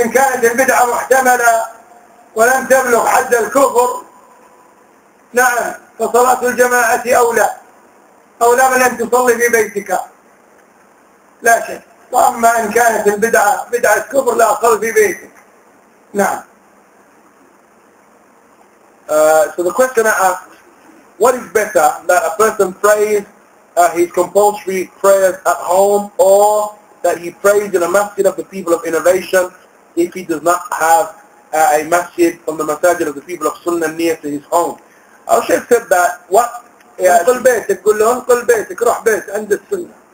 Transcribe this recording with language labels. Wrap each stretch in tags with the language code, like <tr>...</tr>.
<ar>إن كانت البدعة محتملة ولم تبلغ حد الكفر نعم فصلاة الجماعة أولى، أولى من أن تصلي في بيتك لا شك. وأما إن كانت البدعة بدعة كفر لا أصلي في بيتك. نعم.</ar> <en>So the question I ask, what is better, that a person prays his compulsory prayers at home or that he prays in a masjid of the people of innovation if he does not have a masjid from the masajid of the people of Sunnah near to his home? Our Shaykh said that what</en> <ar>انقل بيتك قل له انقل بيتك روح بيت عند السنة.</ar>